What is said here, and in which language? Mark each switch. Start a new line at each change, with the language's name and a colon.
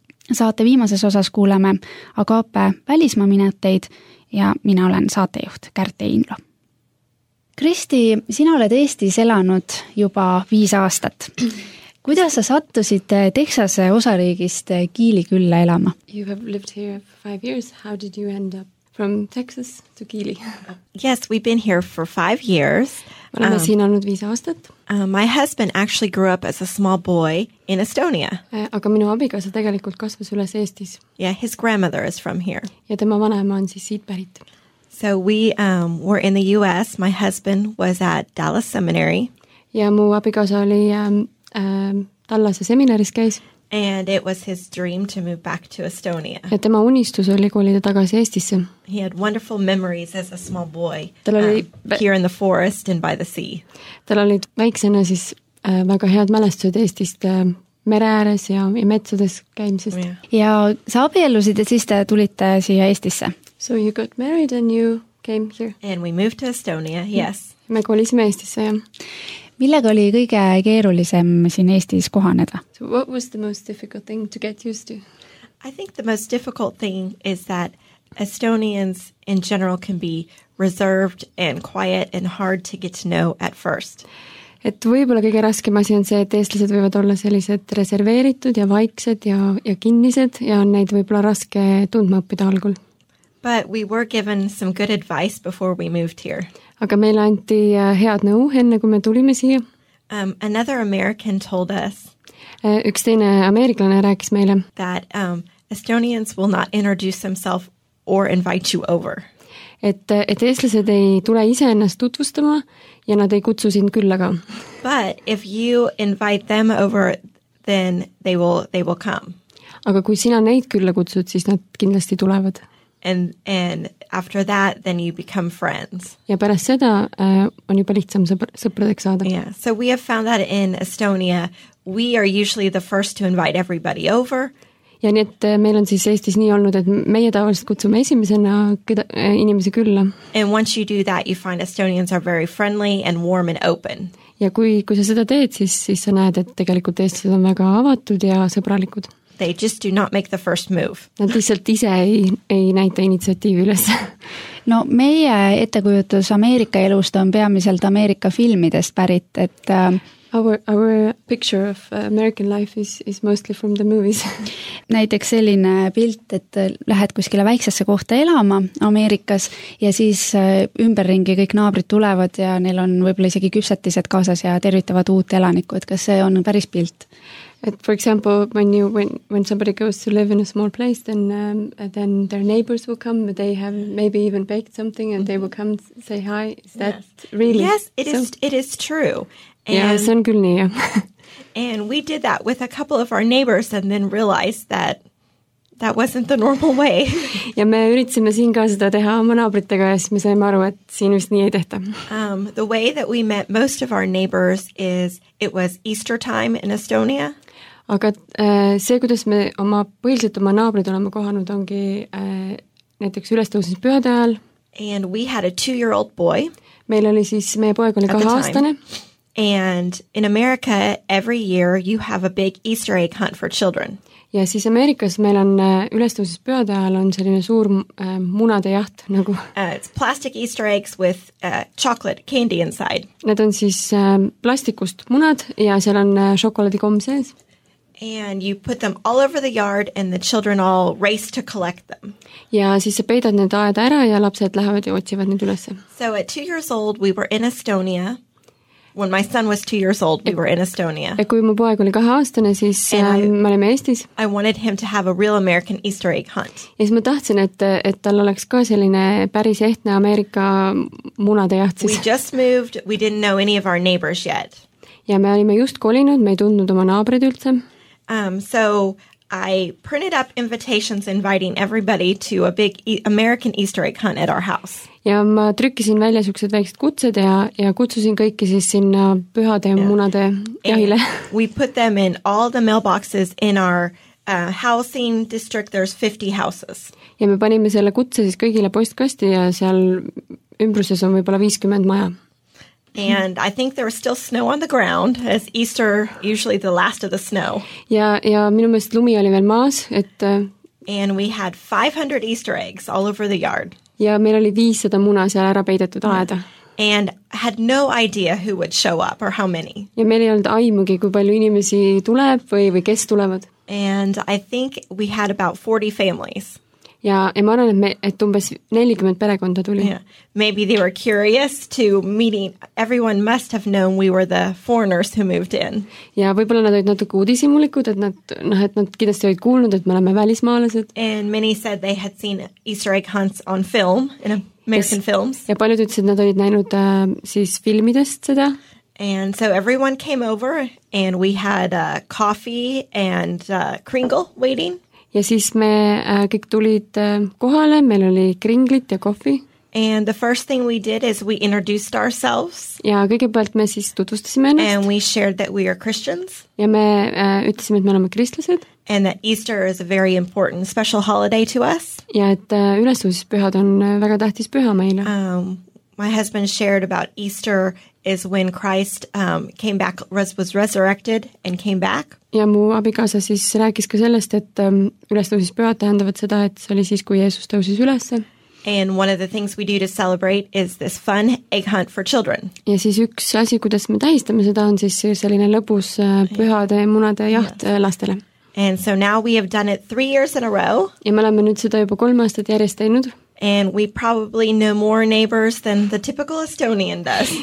Estonian: Saate viimases osas kuuleme Agape välismaa mineteid ja mina olen saatejuht Kärt Einlo. Kristi, sina oled Eestis elanud juba 5 aastat. Kuidas sa sattusid Texase osariigist Kiili külla elama?
English: You have lived here for 5 years. How did you end up from Texas to Kiili? Yes, we've been here for 5 years.
Estonian: Olen siin olnud 5 aastat.
English: My husband actually grew up as a small boy in Estonia.
Estonian: Aga minu abikaasa tegelikult kasvas üles Eestis.
English: Yeah, his grandmother is from here.
Estonian: Ja tema vanaema on siis siit pärit.
English: So we were in the US. My husband was at Dallas Seminary.
Estonian: Ja mu abikaasa oli Tallase seminaris käis.
English: And it was his dream to move back to Estonia.
Estonian: Ja tema unistus oli kolida tagasi Eestisse.
English: He had wonderful memories as a small boy. Here in the forest and by the sea.
Estonian: Tal oli väiksena siis väga head mälestused Eestist mere ääres ja metsades käimisest.
English: Yeah.
Estonian: Ja sa abiellusid ja siis te tulite siia Eestisse.
English: So you got married and you came here. And we moved to Estonia, yes.
Estonian: Me kolisime Eestisse, ja. Millega oli kõige keerulisem siin Eestis kohaneda?
English: So what was the most difficult thing to get used to? I think the most difficult thing is that Estonians in general can be reserved and quiet and hard to get to know at first.
Estonian: Et võib-olla kõige raskem asi on see, et eestlased võivad olla sellised reserveeritud ja vaiksed ja kinnised ja on neid võib-olla raske tundma õppida algul.
English: But we were given some good advice before we moved here.
Estonian: Aga meil anti head nõu enne, kui me tulime siia.
English: Another American told us.
Estonian: Üks teine ameeriklane rääkis meile.
English: That Estonians will not introduce themselves or invite you over.
Estonian: Et eestlased ei tule ise ennast tutvustama ja nad ei kutsu sind küllaga.
English: But if you invite them over, then they will come.
Estonian: Aga kui sina neid külla kutsud, siis nad kindlasti tulevad.
English: And after that, then you become friends.
Estonian: Ja pärast seda on juba lihtsam sõpradeks saada.
English: Yeah. So we have found that in Estonia, we are usually the first to invite everybody over.
Estonian: Ja nii, et meil on siis Eestis nii olnud, et meie tavaliselt kutsume esimesena inimesi külla.
English: And once you do that, you find Estonians are very friendly and warm and open.
Estonian: Ja kui sa seda teed, siis sa näed, et tegelikult eestlased on väga avatud ja sõbralikud.
English: They just do not make the first move.
Estonian: Nad lihtsalt ise ei näita initsiatiivi üles. No meie ettekujutus Ameerika elust on peamiselt Ameerika filmidest pärit, et
English: our picture of American life is mostly from the movies.
Estonian: Näiteks selline pilt, et lähed kuskile väiksesse kohta elama Ameerikas ja siis ümberringi kõik naabrid tulevad ja neil on võib-olla isegi küpsetised kaasas ja tervitavad uut elanikku, et kas see on päris pilt.
English: At for example, when somebody goes to live in a small place, then their neighbors will come. They have maybe even baked something, and they will come say hi. Is that really? Yes, it is. It is true.
Estonian: Yeah, see on küll nii, ja.
English: And we did that with a couple of our neighbors, and then realized that that wasn't the normal way.
Estonian: Ja me üritsime siin ka seda teha oma naabritega, ja siis me saime aru, et siin vist nii ei tehta.
English: The way that we met most of our neighbors is it was Easter time in Estonia.
Estonian: aga see, kuidas me oma põhiliselt oma naabrid oleme kohanud, ongi näiteks ülestõusmise pühade ajal.
English: And we had a 2-year-old boy.
Estonian: Meil oli siis, meie poeg oli 2-aastane.
English: And in America, every year you have a big Easter egg hunt for children.
Estonian: Ja siis Ameerikas meil on ülestõusmise pühade ajal on selline suur munade jaht nagu.
English: It's plastic Easter eggs with chocolate candy inside.
Estonian: Need on siis plastikust munad ja seal on šokolaadikomm sees.
English: And you put them all over the yard and the children all race to collect them.
Estonian: Ja siis sa peidad need aed ära ja lapsed lähevad ja otsivad need ülesse.
English: So at 2 years old we were in Estonia. When my son was 2 years old, we were in Estonia.
Estonian: Ja kui mu poeg oli 2-aastane, siis me olime Eestis.
English: I wanted him to have a real American Easter egg hunt.
Estonian: Ja siis ma tahtsin, et tal oleks ka selline päris ehtne Ameerika munade jaht.
English: We just moved, we didn't know any of our neighbors yet.
Estonian: Ja me olime just kolinud, me ei tundnud oma naabrid üldse.
English: So I printed up invitations inviting everybody to a big American Easter egg hunt at our house.
Estonian: Ja ma trükkisin välja suksed väiksed kutsed ja kutsusin kõiki siis sinna pühade ja munade jahile.
English: And we put them in all the mailboxes in our housing district. There's 50 houses.
Estonian: Ja me panime selle kutse siis kõigile postkasti ja seal ümbruses on võibolla 50 maja.
English: And I think there was still snow on the ground, as Easter usually the last of the snow.
Estonian: Ja minu meelest lumi oli veel maas, et...
English: And we had 500 Easter eggs all over the yard.
Estonian: Ja meil oli 500 muna seal ära peidetud aeda.
English: And had no idea who would show up or how many.
Estonian: Ja meil ei olnud aimugi, kui palju inimesi tuleb või kes tulevad.
English: And I think we had about 40 families.
Estonian: Ja ma arvan, et umbes 40 perekonda tuli. Yeah.
English: Maybe they were curious to meeting. Everyone must have known we were the foreigners who moved in.
Estonian: Ja võibolla nad olid natuke uudisimulikud, et nad kindlasti olid kuulnud, et me oleme välismaalased.
English: And many said they had seen Easter egg hunts on film, in American films.
Estonian: Ja paljud ütlesid, et nad olid näinud siis filmidest seda.
English: And so everyone came over and we had coffee and kringle waiting.
Estonian: Ja siis me kõik tulid kohale, meil oli kringlit ja kohvi.
English: And the first thing we did is we introduced ourselves.
Estonian: Ja kõigepealt me siis tutvustasime ennast.
English: And we shared that we are Christians.
Estonian: Ja me ütlesime, et me oleme kristlased.
English: And that Easter is a very important special holiday to us.
Estonian: Ja et ülestõusmispühad on väga tähtis püha meile.
English: My husband shared about Easter is when Christ came back, was resurrected and came back.
Estonian: Ja mu abikaasa siis rääkis ka sellest, et ülestõusis pühad tähendavad seda, et see oli siis, kui Jeesus tõusis ülesse.
English: And one of the things we do to celebrate is this fun egg hunt for children.
Estonian: Ja siis üks asi, kuidas me tähistame seda, on siis selline lõbus pühade ja munade jaht lastele.
English: And so now we have done it 3 years in a row.
Estonian: Ja me oleme nüüd seda juba 3 aastat järjest teinud.
English: And we probably know more neighbors than the typical Estonian does.